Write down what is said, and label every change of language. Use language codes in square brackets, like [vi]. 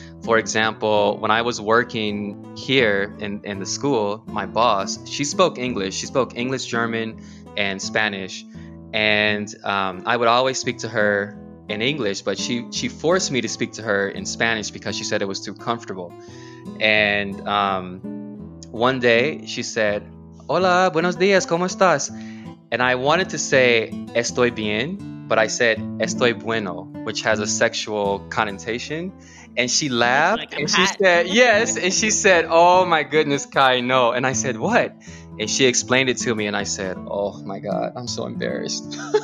[en] For example, when I was working here in the school, my boss, she spoke English, German, and Spanish, and I would always speak to her in English, but she forced me to speak to her in Spanish because she said it was too comfortable. And one day she said, [es] "Hola, buenos días, ¿cómo estás?" [en] And I wanted to say [es] "estoy bien," [en] but I said [es] "estoy bueno," [en] which has a sexual connotation. And she laughed, like, and hot. She said, "Yes." And she said, "Oh my goodness, Kai, no." And I said, "What?" And she explained it to me, and I said, "Oh my God, I'm so embarrassed."